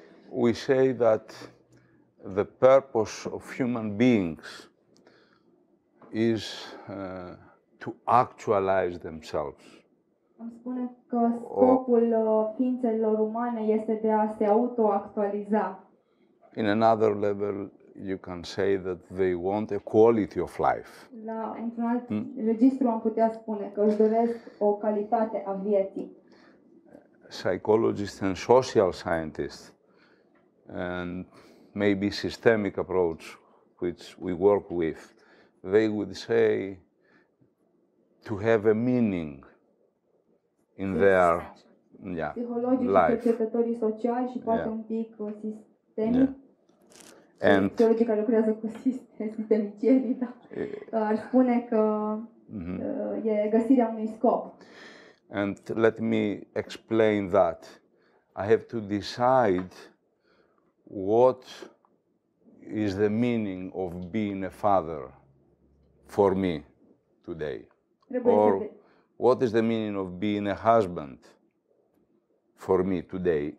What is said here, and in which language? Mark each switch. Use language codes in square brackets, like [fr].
[en] We say that the purpose of human beings is to actualize themselves. [ro] Am spune că scopul ființelor umane este de a se auto-actualiza. [en] In another level, you can say that they want a quality of life. [ro] La într-un alt registru am putea spune că își doresc o calitate a vieții. [en] Psychologists and social scientists and maybe systemic approach which we work with, they would say to have a meaning in their life. [ro] Cercetătorii sociali și poate un pic sistemic. Cei care lucrează cu sistemicieri, ar spune că e găsirea unui scop. [en] And let me explain that. I have to decide what is the meaning of being a father for me today? Or what is the meaning of being a husband for me today?